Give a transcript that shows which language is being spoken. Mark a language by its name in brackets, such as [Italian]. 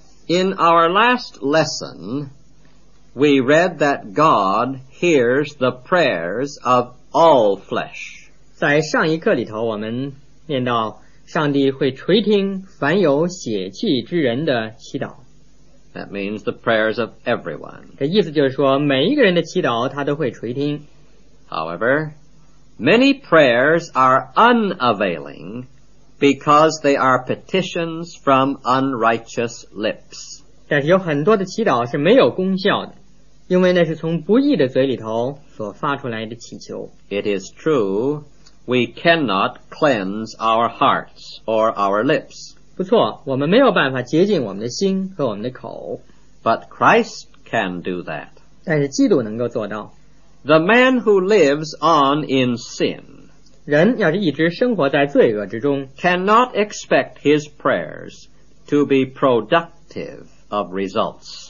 [English] In our last lesson, we read that God hears the prayers of all flesh. [Chinese] 在上一课里头我们念到上帝会垂听凡有血气之人的祈祷。 [English] That means the prayers of everyone. [Chinese] 这意思就是说每一个人的祈祷他都会垂听。 [English] However, many prayers are unavailing because they are petitions from unrighteous lips. [Chinese] 但是有很多的祈祷是没有功效的，因为那是从不义的嘴里头所发出来的祈求。 [English] It is true,We cannot cleanse our hearts or our lips. [Chinese] 不错，我们没有办法洁净我们的心和我们的口。 [English] But Christ can do that. [Chinese] 但是基督能够做到。 [English] The man who lives on in sin, [Chinese] 人要是一直生活在罪恶之中， [English] cannot expect his prayers to be productive of results.